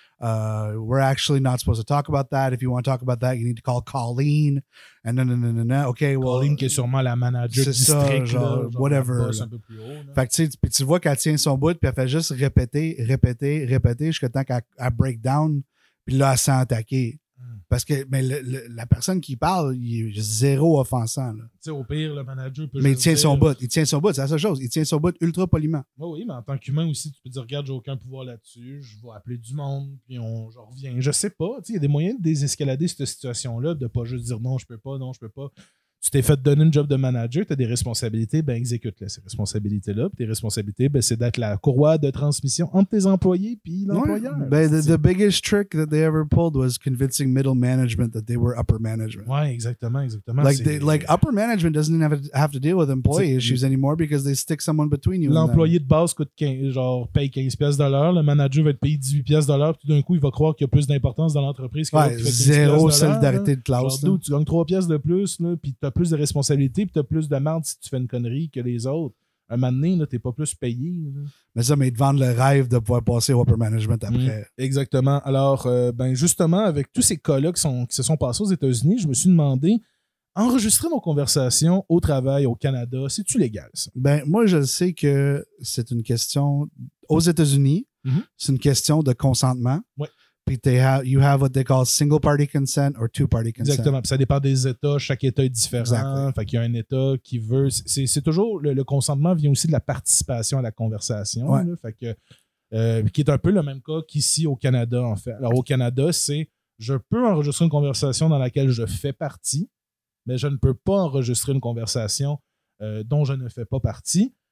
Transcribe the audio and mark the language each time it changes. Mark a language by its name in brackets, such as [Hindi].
[English] We're actually not supposed to talk about that. If you want to talk about that, you need to call Colleen. And na-na-na-na-na. Okay, well... » [French] Colleen qui est sûrement la manager du district. C'est ça, genre, whatever. Fait que tu vois qu'elle tient son bout puis elle fait juste répéter jusqu'à temps qu'elle [English] break down [French] puis là, elle s'est attaquée. Parce que mais la personne qui parle, il est zéro offensant. Tu sais, au pire, le manager peut... Mais il tient son bout. Il tient son bout, c'est la seule chose. Il tient son bout ultra poliment. Oui, oui, mais en tant qu'humain aussi, tu peux dire, regarde, j'ai aucun pouvoir là-dessus. Je vais appeler du monde, puis je reviens. Je sais pas. Il y a des moyens de désescalader cette situation-là, de pas juste dire non, je peux pas. Tu t'es fait donner une job de manager, tu as des responsabilités, ben exécute-les, ces responsabilités-là. Puis tes responsabilités, ben c'est d'être la courroie de transmission entre tes employés et l'employeur. Ouais, ben, [English] the biggest trick that they ever pulled was convincing middle management that they were upper management. [French] Ouais, exactement. [English] Like, upper management doesn't have to deal with employee issues anymore because they stick someone between you. [French] L'employé de base coûte 15, genre, paye 15$, le manager va être payé 18$, puis tout d'un coup, il va croire qu'il y a plus d'importance dans l'entreprise que zéro solidarité de classe. Genre, tu gagnes 3$ de plus, là, puis t'as plus de responsabilités et t'as plus de merde si tu fais une connerie que les autres. Un moment donné, là, t'es pas plus payé. Là. Mais ils te vendent le rêve de pouvoir passer au upper management après. Mmh, exactement. Alors, justement, avec tous ces cas-là qui se sont passés aux États-Unis, je me suis demandé, enregistrer nos conversations au travail, au Canada, c'est-tu légal, ça? Ben, moi, je sais que c'est une question... Aux États-Unis, c'est une question de consentement. Oui. Puis, [English] you have what they call single party consent or two party consent. [French] Exactement. Puis, ça dépend des États. Chaque État est différent. Exactement. Fait qu'il y a un État qui veut. C'est toujours le consentement vient aussi de la participation à la conversation. Ouais. Fait que, qui est un peu le même cas qu'ici au Canada, en fait. Alors, au Canada, c'est je peux enregistrer une conversation dans laquelle je fais partie, mais je ne peux pas enregistrer une conversation dont je ne fais pas partie.